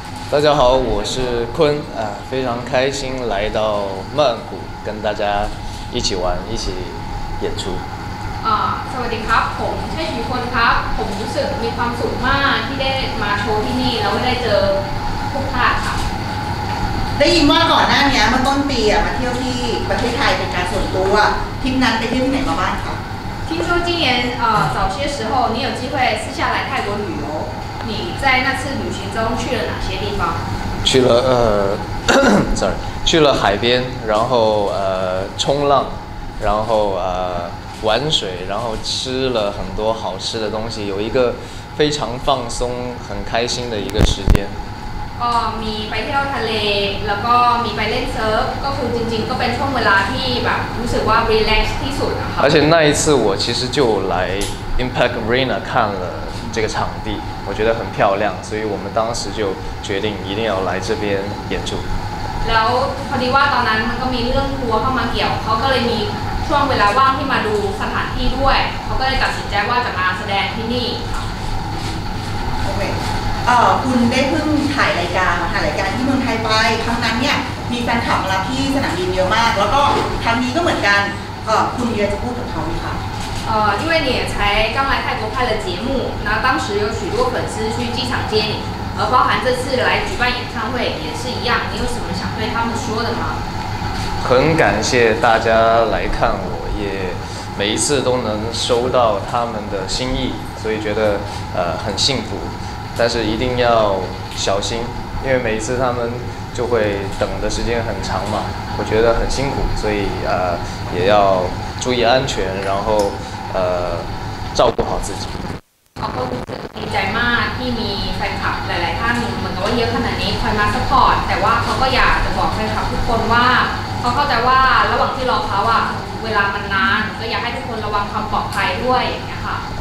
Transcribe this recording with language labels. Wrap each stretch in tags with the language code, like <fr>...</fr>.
<zh>大家好，我是坤，非常开心来到曼谷跟大家一起玩，一起演出。</zh> <th>สวัสดีครับผมชื่อชีคนครับผมรู้สึกมีความสุขมากที่ได้มาโชว์ที่นี่แล้วได้เจอพวกท่านครับ ได้ยินว่าก่อนหน้านี้เมื่อต้นปีมาเที่ยวที่ประเทศไทยเป็นการส่วนตัวทีมนั้นไปเที่ยวที่ไหนมาบ้างครับ</th> <zh>听说今年早些时候你有机会私下来泰国旅游你在那次旅行中去了哪些地方？去了去了海边，然后冲浪，然后玩水，然后吃了很多好吃的东西，有一个非常放松、很开心的一个时间。</zh> <th>มีไปเที่ยวทะเลแล้วก็มีไปเล่นเซิร์ฟก็คือจริงๆก็เป็นช่วงเวลาที่แบบรู้สึกว่ารีแลกซ์ที่สุด นะคะ。</th> <zh>而且那一次我其实就来 Impact Arena 看了。这个场地我觉得很漂亮，所以我们当时就决定一定要来这边演出。</zh> <th>แล้วพอดีว่าตอนนั้นมันก็มีเรื่องทัวร์เข้ามาเกี่ยวเขาก็เลยมีช่วงเวลาว่างที่มาดูสถานที่ด้วยเขาก็เลยตัดสินใจว่าจะมาแสดงที่นี่โอเคคุณได้เพิ่งถ่ายรายการมาถ่ายรายการที่เมืองไทยไปครั้งนั้นเนี่ยมีแฟนคลับรักที่สนามบินเยอะมากแล้วก็ครั้งนี้ก็เหมือนกันคุณอยากจะพูดกับเขาไหมคะ</th> <zh>因为你才刚来泰国拍了节目，那当时有许多粉丝去机场接你，而包含这次来举办演唱会也是一样，你有什么想对他们说的吗？很感谢大家来看我，也每一次都能收到他们的心意，所以觉得很幸福。但是一定要小心，因为每一次他们就会等的时间很长嘛，我觉得很辛苦，所以也要。注意安全，然后照顾好自己。</zh> <th>ขอบคุณที่ใจมากที่มีแฟนคลับหลายๆท่านเหมือนกับว่าเยอะขนาดนี้คอยมาซัพพอร์ตแต่ว่าเขาก็อยากจะบอกแฟนคลับทุกคนว่าเขาเข้าใจว่าระหว่างที่รอเขาอะเวลามันนานก็อยากให้ทุกคนระวังความปลอดภัยด้วยอย่างเงี้ยค่ะ</th>